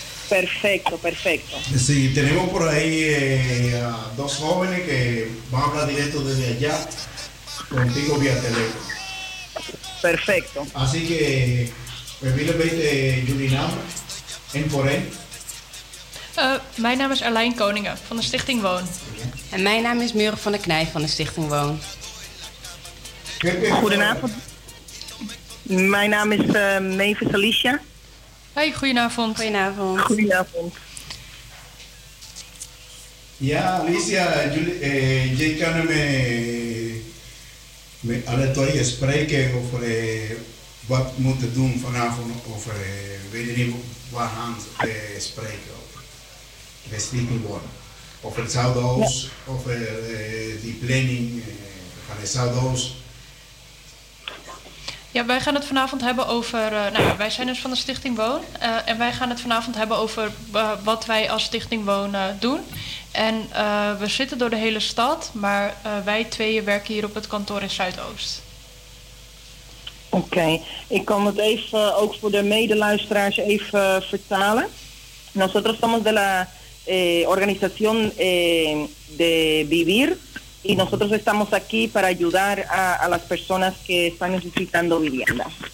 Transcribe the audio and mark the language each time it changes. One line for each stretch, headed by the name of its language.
Spanish: Perfecto, perfecto. Sí, tenemos por ahí a dos jóvenes que van a hablar directo desde allá, contigo vía teléfono. Perfecto. Así que, permítame, Julinam, en por él.
Dutch: Mijn naam is Arlijn Koningen van de Stichting Woon. En mijn naam is Muren van de Knij van de Stichting Woon. Goedenavond. Mijn naam is Mavis Alicia. Hey, goedenavond. Goedenavond. Goedenavond. Ja, Alicia, jij kan me alle twee spreken over wat we moeten doen vanavond. Over, weet je niet waar aan te spreken. Over de Stichting Woon. Over het Sao 2, over die planning van het Sao 2. Ja, wij gaan het vanavond hebben over, wij zijn dus van de Stichting Woon. En wij gaan het vanavond hebben over wat wij als Stichting Woon doen. En we zitten door de hele stad, maar wij tweeën werken hier op het kantoor in Zuidoost. Oké, ik kan het even ook voor de medeluisteraars even vertalen.
Spanish: Nosotros estamos de la organización de Vivir. Y nosotros estamos aquí para ayudar a las personas que están necesitando vivienda.